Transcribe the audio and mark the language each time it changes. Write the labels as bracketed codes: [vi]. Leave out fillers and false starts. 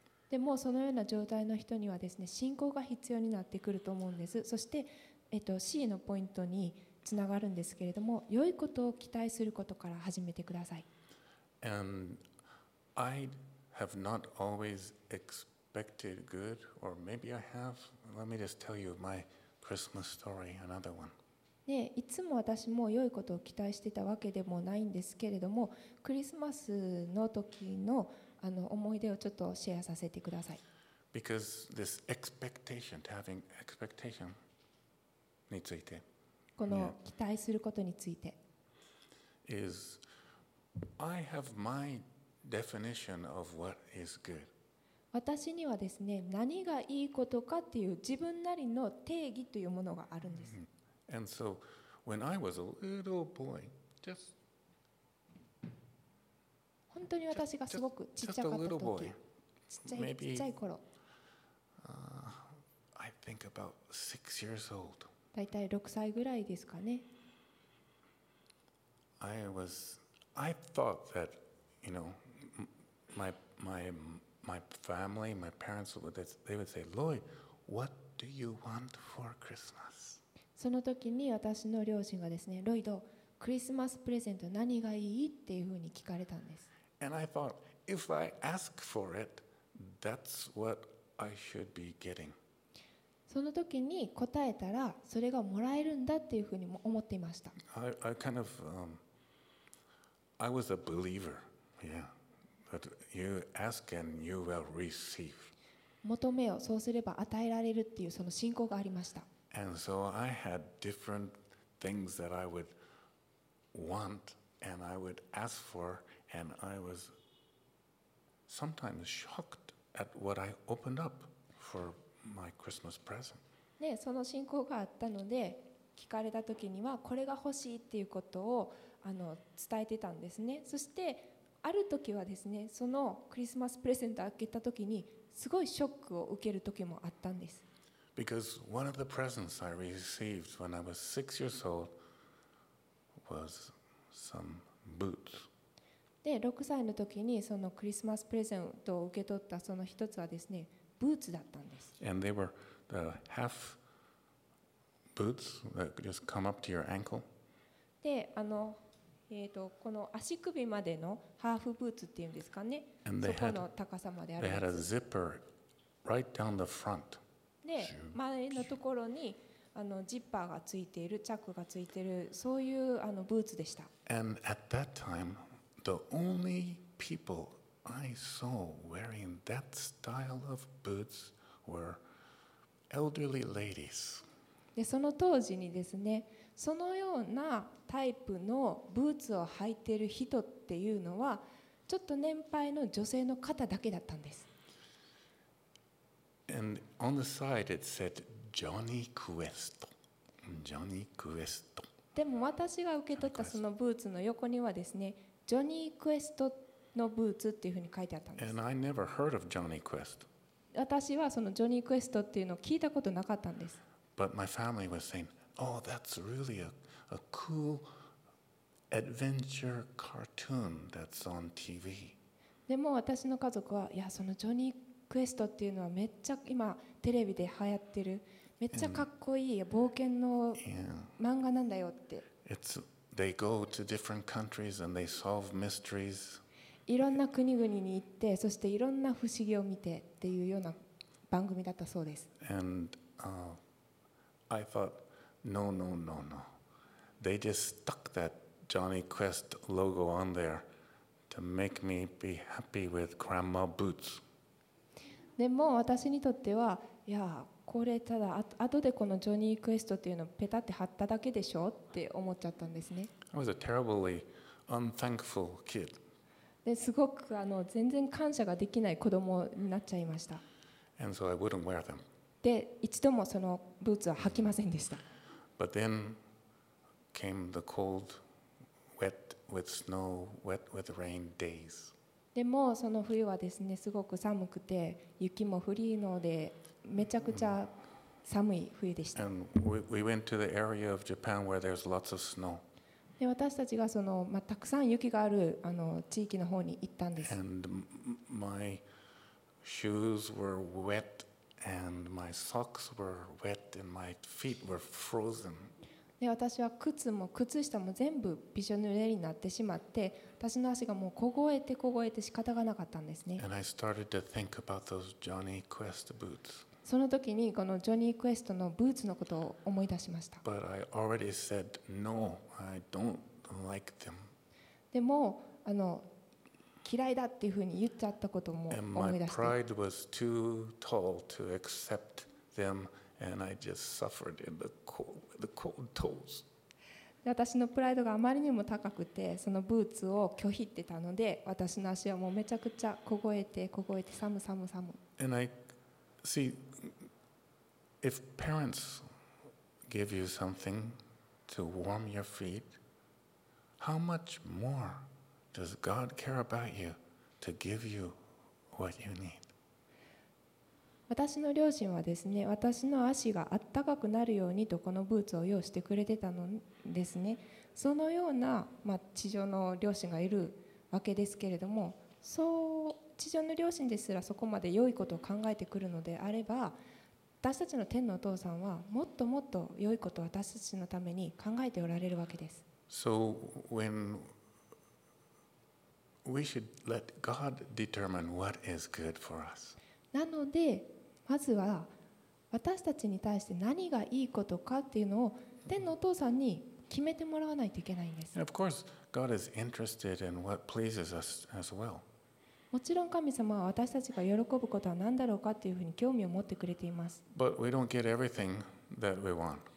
[ja] でもそのような状態の人にはですね、信仰が必要になってくると思うんです。そして、C のポイントにつながるんですけれども、良いことを期待することから始めてください。 [en] And I have not always expected good, or maybe I have. Let me just tell you my Christmas story, another one. [ja] でいつも私も良いことを期待してたわけでもないんですけれども、クリスマスの時の思い出をちょっとシェアさせてください。 [en] Because this expectation, having expectation [ja] について、この期待することについて、 [en] is I have my definition of what is good. [ja] 私にはですね、何がいいことかっていう自分なりの定義というものがあるんです。 [en] And so, when I was a little boy, just [ja] 本当に私がすごくちっちゃかった時、ちっちゃい、ちっちゃい頃、 [en] I think about 6 years old. [ja] だいたい6歳ぐらいですかね。 [en] I thought that, you know, my family, my parents would say, Lloyd, what do you want for Christmas? [ja] その時に私の両親がですね、ロイド、クリスマスプレゼント何がいいっていうふうに聞かれたんです。 [en] And I thought, if I ask for it, that's what I should be getting. [ja] その時に答えたら、それがもらえるんだっていうふうに思っていました。 [en] I kind of, I was a believer, yeah. But you ask and you will receive. [ja] 求めよ、そうすれば与えられるっていうその信仰がありました。 [en] And so I had different things that I would want and I would ask for, and I was sometimes shocked at what I opened up for my Christmas present. [ja] ね、その信仰があったので、聞かれた時にはこれが欲しいっていうことを伝えてたんですね。そしてある時はですね、そのクリスマスプレゼントを開けた時にすごいショックを受ける時もあったんです。 [en] Because one of the presents I received when I was 6 years old was some boots. [ja] で、6歳の時にそのクリスマスプレゼントを受け取ったその一つはですね、ブーツだったんです。 [en] And they were the half boots that just come up to your ankle. [ja] で、この足首までのハーフブーツっていうんですかね。 [en] And they had, [ja] そこの高さまであるんです。 [en] They had a zipper right down the front. [ja] で前のところにジッパーがついているチャックがついているそういうブーツでした。 [en] And at that time, the only people I saw wearing that style of boots were elderly ladies. [ja] でその当時にですね、そのようなタイプのブーツを履いている人っていうのはちょっと年配の女性の方だけだったんです。 [en] And on the side it said Johnny Quest. Johnny Quest. [ja] でも私が受け取ったそのブーツの横にはですね、ジョニー・クエストのブーツっていうふうに書いてあったんです。 [en] And I never heard of Johnny Quest. [ja] 私はそのジョニー・クエストっていうのを聞いたことなかったんです。 [en] But my family was saying, oh, that's really a coolAdventure cartoon that's on TV. [ja] でも私の家族は、いや、そのジョニー・クエストっていうのはめっちゃ今テレビで流行ってる、めっちゃかっこいい冒険の漫画なんだよって。 [en] It's they go to different countries and they solve mysteries. [ja] いろんな国々に行って、そしていろんな不思議を見てっていうような番組だったそうです。 [en] And I thought, no, no, no, no. They just stuck thatJohnny Quest logo on there to make me be happy with grandma boots. [ja] でも私にとっては、いや、これただ後でこのジョニー・クエストっていうのをペタって貼っただけでしょって思っちゃったんですね。 [en] I was a terribly unthankful kid. [ja] ですごく全然感謝ができない子供になっちゃいました。 [en] And so I wouldn't wear them. [ja] で、一度もそのブーツは履きませんでした。 [en] But then came the cold. Wet with snow, wet with rain days. [ja] でもその冬はですね、すごく寒くて雪も降りのでめちゃくちゃ寒い冬でした。 [en] And we went to the area of Japan where there's lots of snow. [ja] で私たちがその、まあ、たくさん雪がある地域の方に行ったんです。 [en] And my shoes were wet and my socks were wet and my feet were frozen. [ja] で私は靴も靴下も全部びしょ濡れになってしまって、私の足がもう凍えて凍えて仕方がなかったんですね。 [en] And I started to think about those Johnny Quest boots. [ja] その時にこのジョニー・クエストのブーツのことを思い出しました。 [en] But I already said, no, I don't like them. [ja] でも嫌いだっていうふうに言っちゃったことも思い出して、 [en] And my pride was too tall to accept them. And I just suffered in the cold toes. [ja] 私のプライドがあまりにも高くて、そのブーツを拒否ってたので、私の足はもうめちゃくちゃ凍えて凍えて寒寒寒。 [en] And I see if parents give you something to warm your feet, how much more does God care about you to give you what you need? [ja] 私の両親はですね、私の足があったかくなるようにとこのブーツを用意してくれてたのですね。そのような、まあ、地上の両親がいるわけですけれども、そう地上の両親ですらそこまで良いことを考えてくるのであれば、私たちの天のお父さんはもっともっと良いことを私たちのために考えておられるわけです。 [en] So when we should let God determine what is good for us. [ja] なのでまずは私たちに対して何がいいことかっていうのを天のお父さんに決めてもらわないといけないんです。 [en] Of course, God is interested in what pleases us as well. [ja] もちろん神様は私たちが喜ぶことは何だろうかっていうふうに興味を持ってくれています。 [en] But we don't get everything that we want.